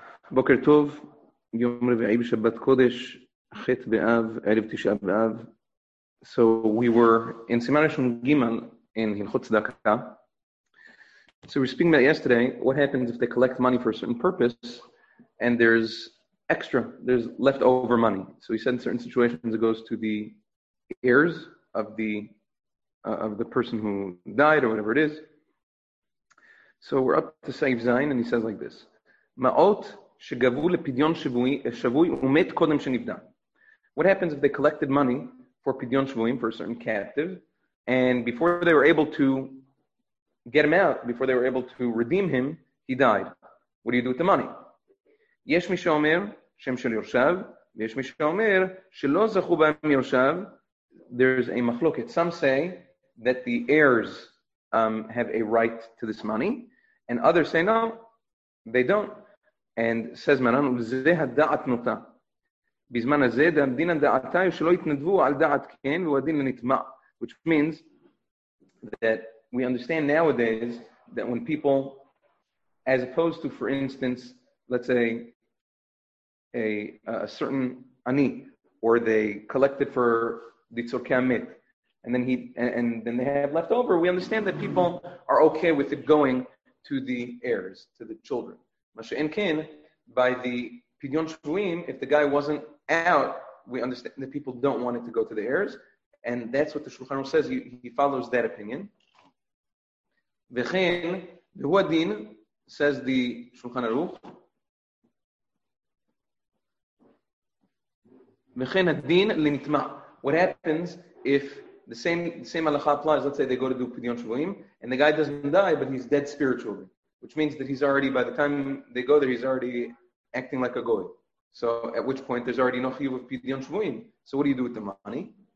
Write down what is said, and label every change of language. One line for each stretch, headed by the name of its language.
Hebrew: בוקר טוב, יום רביעי בשבת קודש, חטא באב, ערב תשעה באב.
English: So we were in סימן ראשון גימל, in הלכות צדקה. So we were speaking about yesterday, what happens if they collect money for a certain purpose, and there's extra, there's leftover money. So we said in certain situations it goes to the heirs of the person who died or whatever it is. So we're up to Seif Zayin, and he says like this.
Hebrew: Ma'ot שגבו לפדיון שבוי, שבוי ומת קודם שנבדה.
English: What happens if they collected money for פדיון שבויים, for a certain captive, and before they were able to get him out, before they were able to redeem him, he died. What do you do with the money?
Hebrew: יש מי שאומר שם של יושב, ויש מי שאומר שלא זכו בהם יושב.
English: There's a מחלוקת. Some say that the heirs have a right to this money, and others say no, they don't. And says Maran,
Hebrew: וזה הדעת נוטה. בזמן הזה, דין הדעתה הוא שלא התנדבו על דעת כן, והוא הדין לנטמע.
English: Which means that we understand nowadays that when people, as opposed to, for instance, let's say, a certain ani, or they collected for the tzorkei amit, and then they have left over, we understand that people are okay with it going to the heirs, to the children.
Hebrew: מה שאין כן,
English: by the פדיון שבויים, if the guy wasn't out, we understand that people don't want it to go to the heirs, and that's what the Shulchan Aruch says, he follows that opinion.
Hebrew: וכן, והוא הדין,
English: says the Shulchan Aruch,
Hebrew: וכן הדין לנטמע.
English: What happens if the same הלכה applies, let's say they go to do פדיון שבויים, and the guy doesn't die, but he's dead spiritually. Which means that he's already, by the time they go there, he's already acting like a goy. So at which point there's already no chiyuv of pidyon shvuyim. So what do you do with the money?